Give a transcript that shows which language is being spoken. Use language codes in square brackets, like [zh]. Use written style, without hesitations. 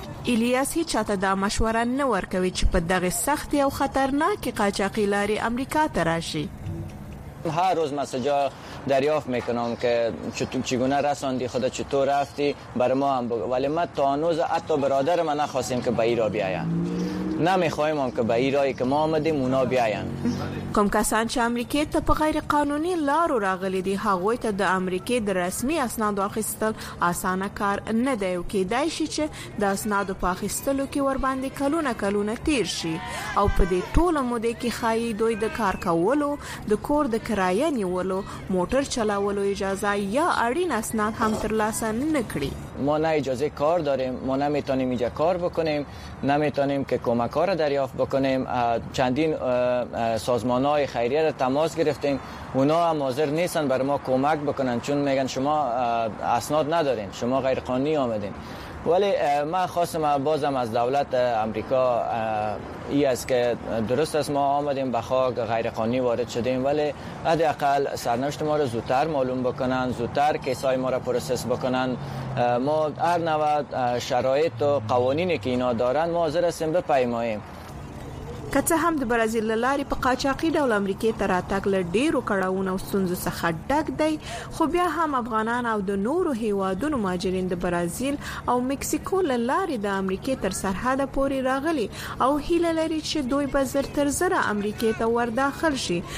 [ps] الیاس هیچ چاته دا مشوره نه ورکوي چې په دغه سختی او خطرناک قاچاقی لاری امریکا ته راشي. [fa] هر روز مسیجا دریافت میکنم که چگونه رساندی خدا، چطور رفتی، بر ما هم بگو. ولی ما تا هنوز حتی برادر ما نخواستیم که به ایرا بیاین، نمیخواییم هم که به ایرایی که ما آمدیم اونا بیاین. [ps] کوم کسان چې امریکې ته په غیر قانوني لارو راغلي دي هغوی ته د امریکې د رسمي اسنادو اخیستل اسانه کار نه دی او کیدای شي چې د اسنادو په اخیستلو کې ور باندې کلونه کلونه تیر شي او په دې ټوله موده کې خایي دوی د کار کولو د کور د کرایه نیولو موټر چلاولو اجازه یا اړین اسناد هم ترلاسه نه کړي. [fa] ما نه اجازه کار داریم، ما نمیتونیم اینجا کار بکنیم، نمیتونیم که کمک ها را دریافت بکنیم. چندین سازمان های خیریه را تماس گرفتیم، اونا هم حاضر نیستن بر ما کمک بکنن چون میگن شما اسناد ندارین، شما غیرقانونی آمدین. ولی ما خواستم بازم از دولت امریکا ای است که درست است ما آمدیم به خاک غیرقانونی وارد شدیم، ولی حداقل سرنوشت ما رو زودتر معلوم بکنن، زودتر کیسای ما رو پروسس بکنن. ما هر نوع شرایط و قوانینی که اینا دارن ما حاضر هستیم بپیماییم. [ps] که څه هم د برازیل لاري په قاچاقي ډول امریکې ته راتګ له ډېرو کړاوونو او ستونزو څخه ډک دی، خو بیا هم افغانان او د نورو هیوادونو مهاجرین د برازیل او مکسیکو له لارې د امریکې تر سرحده پورې راغلي او هیله لري چې دوی به زر تر زره امریکې ته ورداخل شي.